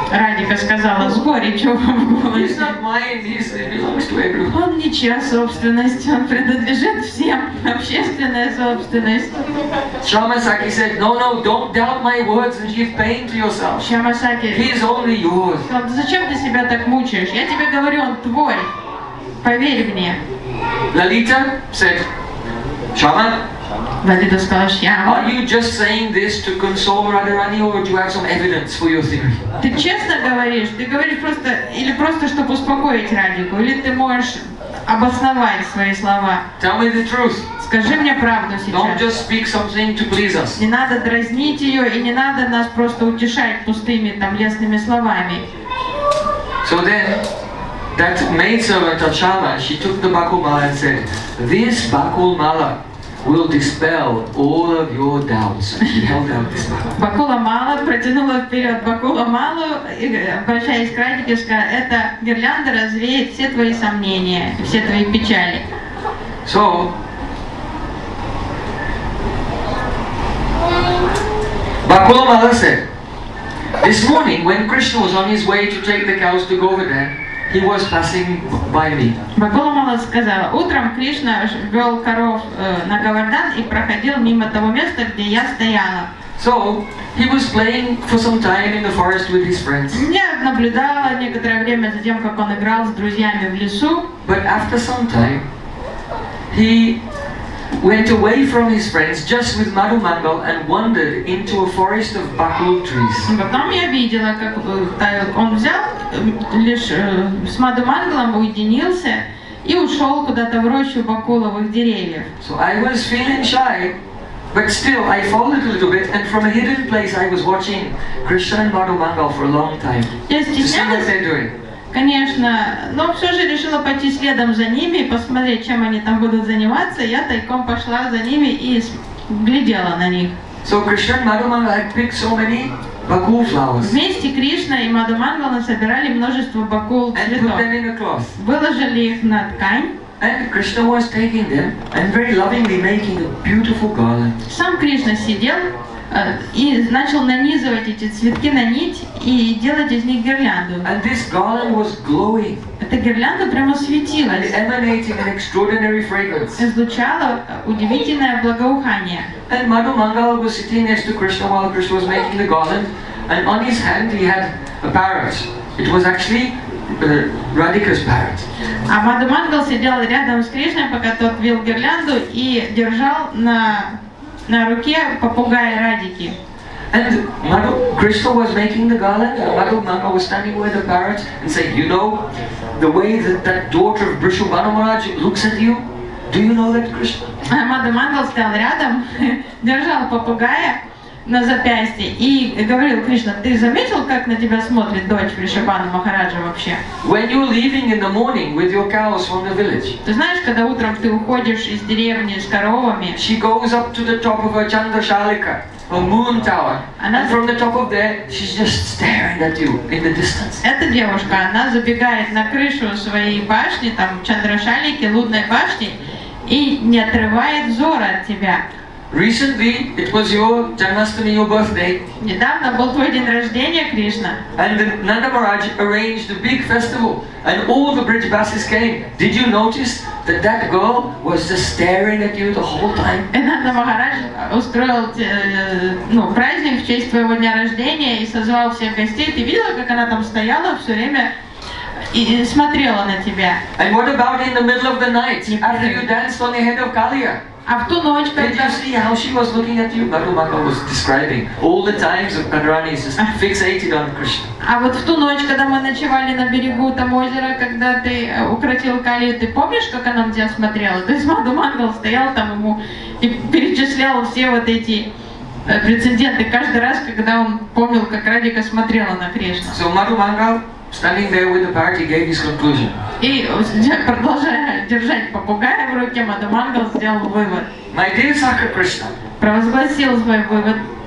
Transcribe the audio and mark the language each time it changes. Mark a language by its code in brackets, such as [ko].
[ru] Радика сказала с горечью в голосе. [en] He's not mine. [ru] Он не чья собственность, он принадлежит всем, общественная собственность. [en] Шамасаки said, no, no, don't doubt my words and give pain to yourself. Шамасаки, he is only yours. [ru] Зачем ты себя так мучаешь? Я тебе говорю, он твой. Поверь мне. [en] Лалита said, Шама. [ru] Лалита сказала, Шьяма. [en] Are you just saying this to console Radharani, or do you have some evidence for your theory? [ru] Ты честно говоришь? Ты говоришь просто или просто чтобы успокоить Радику, или ты можешь обосновать свои слова? [en] Tell me the truth. [ru] Скажи мне правду сейчас. [en] Don't just speak something to please us. [ru] Не надо дразнить ее и не надо нас просто утешать пустыми там лестными словами. [en] So then, that maidservant Achama, she took the bakul mala and said, this bakul mala will dispel all of your doubts. [ru] Бакула Мала протянула вперед Бакула Малу, обращаясь к Радике, сказала, эта гирлянда развеет все твои сомнения, все твои печали. [en] So, Бакула Мала said, this morning when Krishna was on his way to take the cows to Govardhan, he was passing by me. [ru] Бакула Мала сказала, утром Кришна вел коров на Говардан и проходил мимо того места, где я стояла. [en] So, he was playing for some time in the forest with his friends. [ru] Я наблюдала некоторое время за тем, как он играл с друзьями в лесу. [en] But after some time, he went away from his friends just with Madhu Mangal and wandered into a forest of bakul trees. [ru] Потом я видела, как он взял лишь с Madhu Mangalом уединился и ушел куда-то в рощу бакуловых деревьев. [en] So I was feeling shy, but still I followed a little bit, and from a hidden place I was watching Krishna and Madhu Mangal for a long time to see what they're doing. [ru] Конечно, но все же решила пойти следом за ними и посмотреть, чем они там будут заниматься. Я тайком пошла за ними и глядела на них. [en] So Krishna and Madhu Mangal had picked so many bakul flowers. [ru] Вместе Кришна и Madhu Mangal собирали множество бакул цветов. Выложили их на ткань. [en] And Krishna was taking them and very lovingly making a beautiful garland. [ru] Сам Кришна сидел и начал нанизывать эти цветки на нить и делать из них гирлянду. [en] And this garland was glowing. [ru] Эта гирлянда прямо светилась. [en] And emanating an extraordinary fragrance. [ru] Излучала удивительное благоухание. [en] And Madhu Mangal was sitting next to Krishna while Krishna was making the garland, and on his hand he had a parrot. It was actually Radhika's parrot. [ru] А Madhu Mangal сидел рядом с Кришной, пока тот вил гирлянду и держал на руке попугая Радики. [en] And Madhu Krishna was making the garland, and Madhu Mangal was standing with the parrot and said, you know, the way that daughter of Brishu Banu Maharaj looks at you, do you know that Krishna? [ru] Madhu Mangal стоял рядом, держал попугая на запястье и говорил, Кришна, ты заметил, как на тебя смотрит дочь Вришабана Махараджа вообще? [en] When you're leaving in the morning with your cows from the village. [ru] Ты знаешь, когда утром ты уходишь из деревни с коровами? [en] She goes up to the top of her Chandrashalika, a moon tower. And from the top of there, she's just staring at you in the distance. [ru] Эта девушка, она забегает на крышу своей башни, там Чандрашалики, лунной башни, и не отрывает взора от тебя. [en] Recently, it was your Janmashtami, your birthday. [ru] Недавно был твой день рождения, Кришна. [en] And Nanda Maharaj arranged a big festival, and all the bridge buses came. Did you notice that girl was just staring at you the whole time? [ru] Нанда Махарадж устроил праздник в честь твоего дня рождения и созвал всех гостей. Ты видела, как она там стояла все время и смотрела на тебя? [en] And what about in the middle of the night after you danced on the head of Kaliya? [ru] А в ту ночь, когда... [en] Did you see how she was looking at you? Madhu Mangal was describing all the times of Radharani is just fixated on Krishna. [ru] А вот в ту ночь, когда мы ночевали на берегу там озера, когда ты укротил Калию, ты помнишь, как она на тебя смотрела? То есть Madhu Mangal стоял там ему и перечислял все вот эти прецеденты каждый раз, когда он помнил, как Радика смотрела на Кришну. [en] So Madhu Mangal, standing there with the parrot, he gave his conclusion. [ru] И продолжая держать попугая в руке, Madhu Mangal сделал вывод. [en] My dear Sakha Krishna, [ru] провозгласил свой вывод.